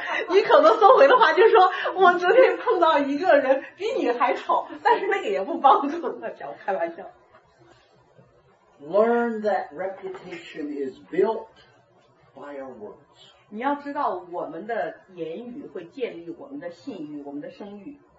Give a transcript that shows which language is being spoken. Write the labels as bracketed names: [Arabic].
[Chinese] 你可能收回的话就说，我昨天碰到一个人比你还丑，但是那个也不帮助。讲开玩笑。 [English] Learn that reputation is built by our words. [Chinese] 你要知道，我们的言语会建立我们的信誉，我们的声誉。